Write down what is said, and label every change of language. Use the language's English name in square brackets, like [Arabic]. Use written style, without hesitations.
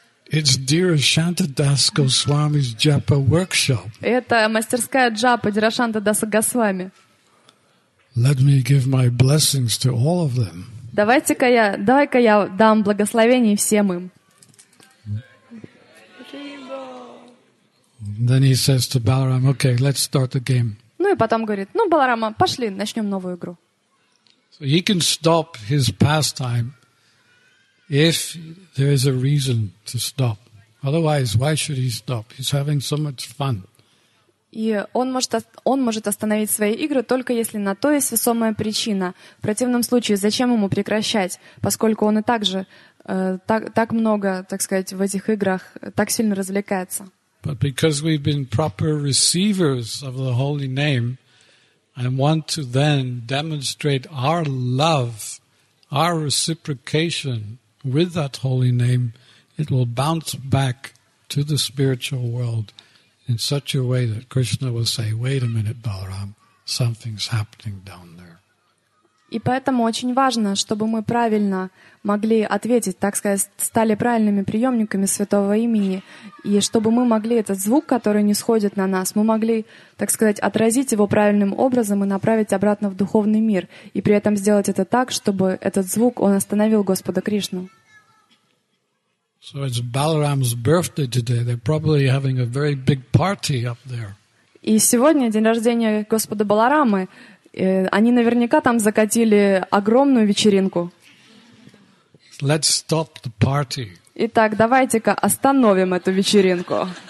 [English] It's Dira Shanta Das Goswami's Japa workshop. [Russian] Это мастерская Джапа Дирашанта Даса Госвами. [English] Let me give my blessings to all of them. [Russian] Давай-ка я дам благословение всем им. [English] Then he says to Balarama, "Okay, let's start the game." [Russian] Ну и потом говорит: "Ну, Баларама, пошли, начнем новую игру." [English] So he can stop his pastime if there is a reason to stop. Otherwise, why should he stop? He's having so much fun. [Russian] И он может остановить свои игры только если на то есть весомая причина. В противном случае, зачем ему прекращать, поскольку он и так же так много, так сказать, в этих играх так сильно развлекается. [English] But because we've been proper receivers of the holy name and want to then demonstrate our love, our reciprocation with that holy name, it will bounce back to the spiritual world in such a way that Krishna will say, "Wait a minute, Balaram, something's happening down there." [Russian] И поэтому очень важно, чтобы мы правильно могли ответить, так сказать, стали правильными приемниками святого имени, и чтобы мы могли этот звук, который нисходит на нас, мы могли, так сказать, отразить его правильным образом и направить обратно в духовный мир, и при этом сделать это так, чтобы этот звук, он остановил Господа Кришну. [English] So it's Balaram's birthday today. They're probably having a very big party up there. [Russian] И сегодня день рождения Господа Баларамы. Они наверняка там закатили огромную вечеринку. [English] Let's stop the party. [Russian] Итак, давайте-ка остановим эту вечеринку.